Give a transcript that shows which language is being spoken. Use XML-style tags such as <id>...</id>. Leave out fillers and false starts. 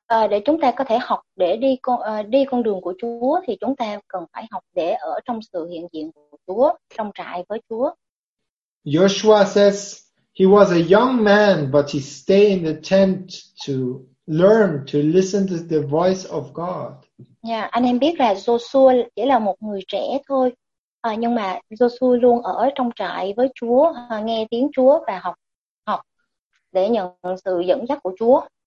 <vi>Để chúng ta có thể học để đi con đường của Chúa thì chúng ta cần phải học để ở trong sự hiện diện của Chúa, trong trại với Chúa.</vi> <en>Joshua says he was a young man, but he stayed in the tent to learn to listen to the voice of God.</en> <vi>Yeah, anh em biết là Joshua chỉ là một người trẻ thôi, nhưng mà Joshua luôn ở trong trại với Chúa, nghe tiếng Chúa và học để nhận sự dẫn dắt của Chúa.</vi>